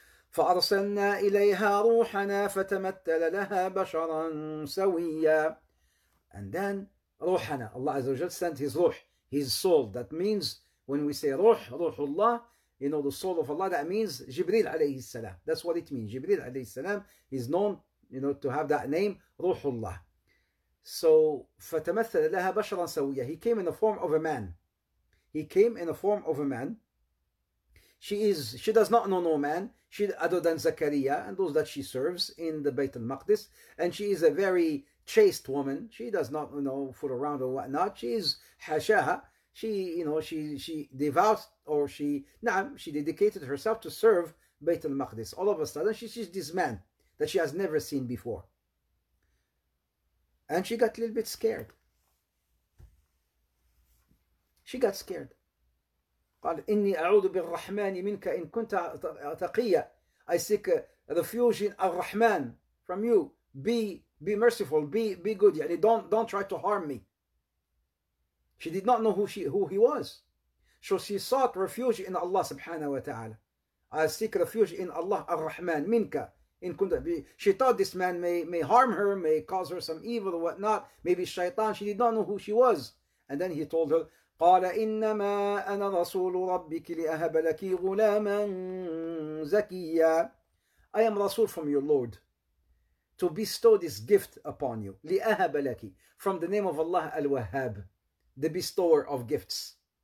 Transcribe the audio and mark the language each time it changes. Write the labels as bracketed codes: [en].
[ar] فأرسلنا إليها روحنا فتمثل لها بشرا سويا. [en] And then روحنا, Allah Azza wa Jalla sent His ruh, His soul. That means when we say ruh, ruhullah, you know, the soul of Allah, that means Jibril alayhi salam. That's what it means. Jibril alayhi salam is known, you know, to have that name, ruhullah. [ar] So فتمثل لها بشرا سويا. [en] He came in the form of a man. He came in the form of a man. She does not know no man, she other than Zakaria and those that she serves in the Bayt al-Maqdis. And she is a very chaste woman. She does not, you know, fool around or whatnot. She is hashaha. She, you know, she devout, or she dedicated herself to serve Bayt al-Maqdis. All of a sudden, she sees this man that she has never seen before. And she got a little bit scared. She got scared. [ar] قال إني أعوذ بالرحمن منك إن كنت تقيا. [en] I seek refuge in الرحمن from you. Be merciful. Be good. يعني don't try to harm me. She did not know who he was, so she sought refuge in Allah subhanahu wa taala. I seek refuge in Allah [ar] الرحمن منك إن كنت. [en] She thought this man may harm her, may cause her some evil or whatnot. Maybe shaitan. She did not know who she was, and then he told her. [ar] قال إنما أنا رسول ربك لأهب لك غلاما زكيا. [en] I am رسول from your Lord to bestow this gift upon you. [ar] لأهب لك, [en] from the name of Allah Al-Wahhab, the bestower of gifts.